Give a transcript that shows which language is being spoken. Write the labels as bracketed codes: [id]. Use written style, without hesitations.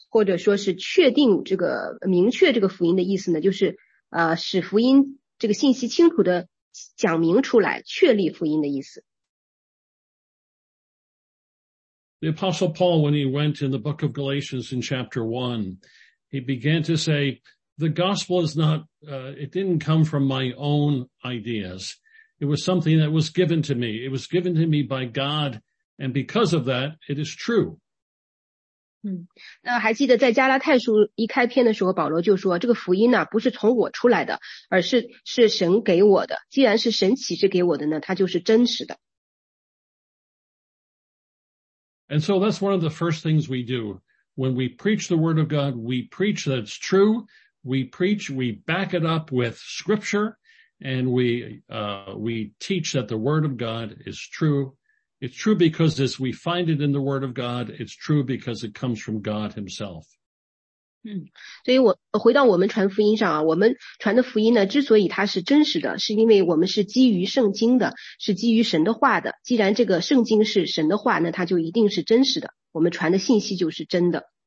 [zh] 或者说是确定这个明确这个福音的意思呢，就是使福音这个信息清楚的讲明出来，确立福音的意思。 [en] The Apostle Paul, when he went in the book of Galatians in chapter 1, he began to say, the gospel is not, it didn't come from my own ideas. It was something that was given to me. It was given to me by God. And because of that, it is true. [zh] 嗯，那还记得在加拉太书一开篇的时候，保罗就说这个福音呢、啊、不是从我出来的，而是神给我的。既然是神启示给我的呢，它就是真实的。 [en] And so that's one of the first things we do. When we preach the word of God, we preach that it's true. We preach, we back it up with scripture, and we teach that the word of God is true. It's true because as we find it in the word of God, it's true because it comes from God himself. [zh] 嗯，所以我回到我们传福音上啊，我们传的福音呢，之所以它是真实的，是因为我们是基于圣经的，是基于神的话的。既然这个圣经是神的话，那它就一定是真实的。我们传的信息就是真的。